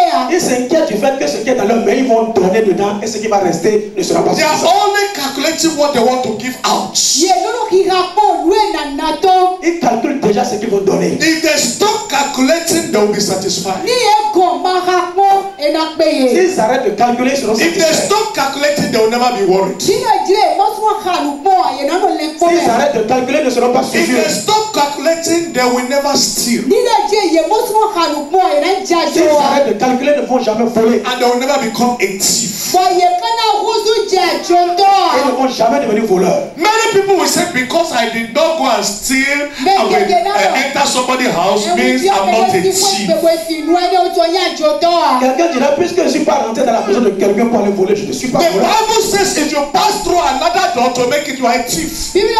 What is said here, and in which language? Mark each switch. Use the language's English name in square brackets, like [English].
[French] Ils s'inquiètent du fait que ce qui est dans leur main, ils vont donner dedans et ce qui va rester ne sera pas suffisant. [English] They are only calculating what they want to give out. [French] Ils calculent déjà ce qu'ils vont donner. [English] If they stop calculating, they will be satisfied. [French] S'ils arrêtent de calculer, ils seront satisfaits. [English] If they stop calculating, they will never be worried. [French] S'ils arrêtent de calculer, ils ne seront pas suffisants. [English] If they stop calculating, they will never steal. And they will never become a thief. They will not ever become a voleur. Many people will say, because I did not go and steal, enter somebody's house means I'm not a thief. [French] Quelqu'un dira, puisque je ne suis pas rentré dans la maison de quelqu'un pour aller voler, je ne suis pas voleur. [English] The Bible says, if you pass through another door to make it, you are a thief.